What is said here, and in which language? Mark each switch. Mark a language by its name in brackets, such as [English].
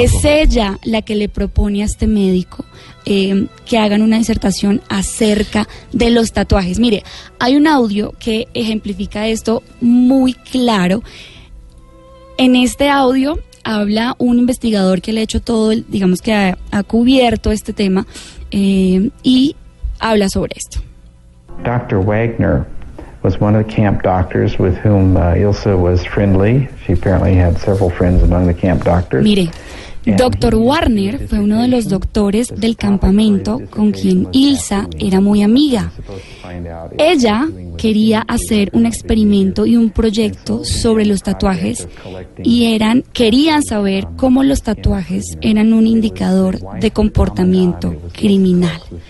[Spanish] Es ella la que le propone a este médico que hagan una disertación acerca de los tatuajes. Mire, hay un audio que ejemplifica esto muy claro. En este audio habla un investigador que le ha hecho todo, digamos que ha cubierto este tema, y habla sobre esto. [English] Dr. Wagner was one of the camp doctors with whom Ilsa was friendly. She apparently had several friends among the camp doctors. [Spanish] Mire, Dr. Warner fue uno de los doctores del campamento con quien Ilsa era muy amiga. Ella quería hacer un experimento y un proyecto sobre los tatuajes y querían saber cómo los tatuajes eran un indicador de comportamiento criminal.